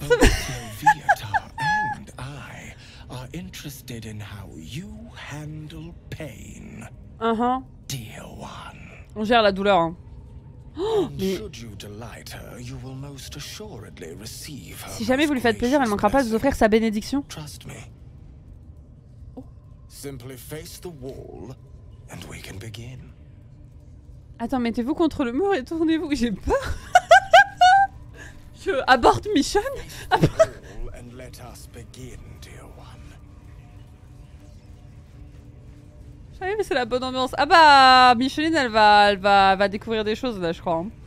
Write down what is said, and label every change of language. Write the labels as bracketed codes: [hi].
[en] Viator and I are interested in how you handle pain. Dear one. [fr] On gère la douleur. [en] Should you delight her, you will most assuredly receive her. [fr] Si jamais vous lui faites plaisir, elle manquera pas de vous offrir sa bénédiction. [en] Trust me. Simply face the wall and we can begin. [fr] Attends, mettez-vous contre le mur et tournez-vous. J'ai peur. Je aborde mission. [en] And let us begin, dear one. [fr] Ah oui, mais c'est la bonne ambiance. Ah bah, Micheline, elle va découvrir des choses, là, je crois.